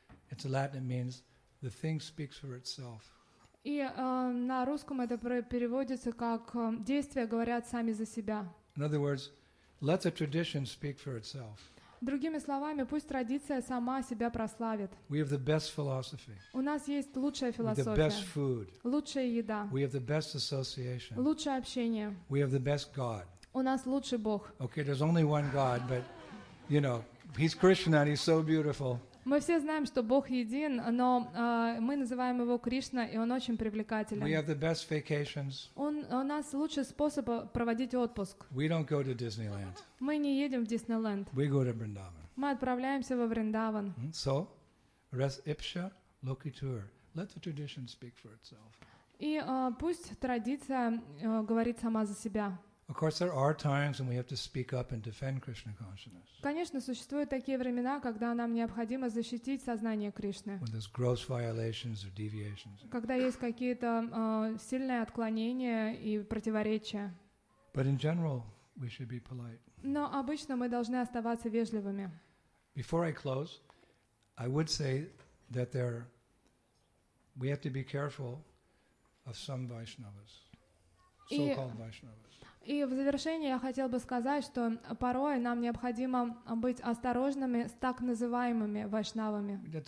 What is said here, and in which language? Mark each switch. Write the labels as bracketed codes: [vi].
[en] It's a Latin, it means the thing speaks for itself. [ru] И на русском это переводится как действия говорят сами за себя. [en] In other words, let the tradition speak for itself. [ru] Другими словами, пусть традиция сама себя прославит. [en] We have the best philosophy. [ru] У нас есть лучшая философия. [en] We have the best food. [ru] Лучшая еда. [en] We have the best association. [ru] Лучшее общение. [en] We have the best God. [ru] У нас лучший Бог. [en] Okay, there's only one God, but you know, he's Krishna, he's so beautiful. [ru] Мы все знаем, что Бог един, но мы называем его Кришна, и он очень привлекателен. [en] We have the best vacations. [ru] У нас лучший способ проводить отпуск. [en] We don't go to Disneyland. [ru] Мы не едем в Диснейленд. [en] We go to Vrindavan. [ru] Мы отправляемся во Вриндаван. [en] So, [la] res ipsa loquitur. [en] Let the tradition speak for itself. [ru] И пусть традиция говорит сама за себя. [en] Of course, there are times when we have to speak up and defend Krishna consciousness. [ru] Конечно, существуют такие времена, когда нам необходимо защитить сознание Кришны. [en] When there's gross violations or deviations. [ru] Когда есть какие-то сильные отклонения и противоречия. [en] But in general, we should be polite. [ru] Но обычно мы должны оставаться вежливыми. [en] Before I close, I would say that we have to be careful of some Vaishnavas, so-called Vaishnavas. [ru] И в завершение я хотел бы сказать, что порой нам необходимо быть осторожными с так называемыми вайшнавами.